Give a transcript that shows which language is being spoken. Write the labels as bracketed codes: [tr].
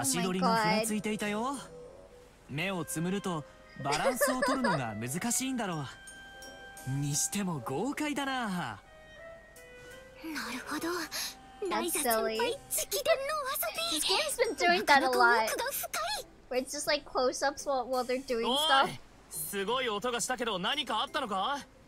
[ja] 足取りがふらついていたよ。目をつむるとバランスを取るのが難しいんだろう。にしても豪快だな。なるほど。ライザ先輩、直伝のお遊び。 [en] This game's been doing that a lot. Where it's just like close-ups while they're doing stuff. [ja] おい、すごい音がしたけど何かあったのか？